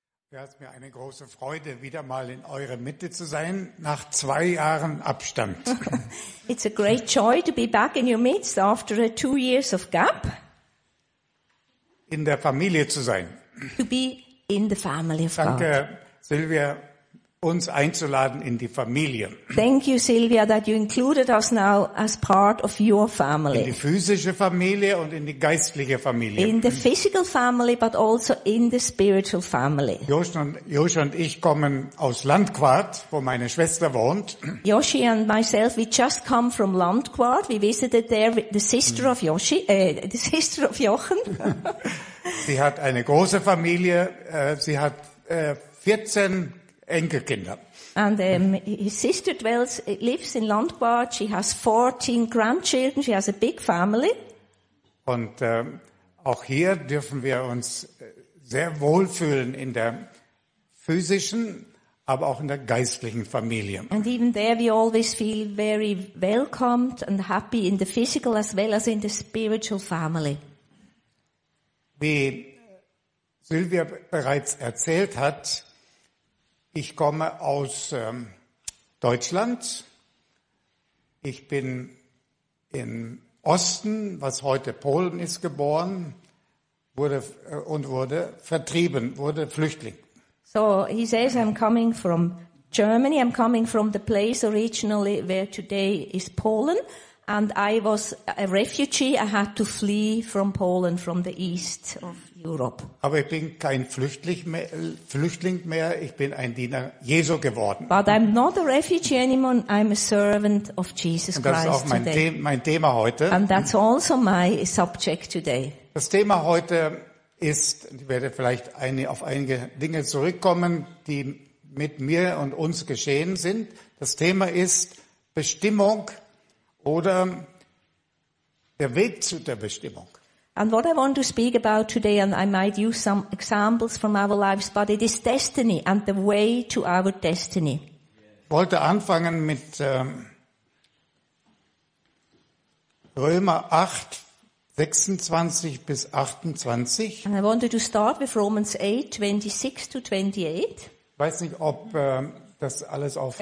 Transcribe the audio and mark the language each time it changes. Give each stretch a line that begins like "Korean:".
German: Ja, es ist mir eine große Freude, wieder mal in eurer Mitte zu sein, nach 2 Jahren Abstand.
English: It's a great joy to be back in your midst after 2 years of gap.
German: In der Familie zu sein.
English: To be in the family of
German: Danke,
English: God.
German: Danke, Silvia, uns einzuladen in die Familie.
English: Thank you, Silvia, that you included us now as part of your family.
German: In die physische Familie und in die geistliche Familie.
English: In the physical family, but also in the spiritual family.
German: Joshi und ich kommen aus Landquart, wo meine Schwester wohnt.
English: Joshi and myself, we just come from Landquart. We visited there the sister of Joshi, the sister of Jochen.
German: Sie hat eine große Familie. Sie hat 14 Enkelkinder.
English: And his sister lives in Landquart. She has 14 grandchildren. She has a big family.
German: Und auch hier dürfen wir uns sehr wohlfühlen in der physischen, aber auch in der geistlichen Familie.
English: And even there we always feel very welcomed and happy in the physical as well as in the spiritual family.
German: Wie Silvia bereits erzählt hat, ich komme aus Deutschland. Ich bin im Osten, was heute Polen ist, geboren, wurde vertrieben, wurde Flüchtling.
English: So he says, I'm coming from Germany. I'm coming from the place originally where today is Poland, and I was a refugee. I had to flee from Poland, from the east of Europe.
German: Aber ich bin kein Flüchtling mehr, ich bin ein Diener Jesu geworden.
English: But I'm not a refugee anymore, I'm a servant of Jesus Christ today.
German: Das ist auch mein Thema heute.
English: And that's also my subject today.
German: Das Thema heute ist, ich werde vielleicht auf einige Dinge zurückkommen, die mit mir und uns geschehen sind. Das Thema ist Bestimmung oder der Weg zu der Bestimmung.
English: And what I want to speak about today, and I might use some examples from our lives, but it is destiny and the way to our destiny.
German: Ich wollte anfangen mit Römer 8, 26 bis 28.
English: And I wanted to start with Romans 8, 26 to 28.
German: Ich weiß nicht, ob das alles auf die...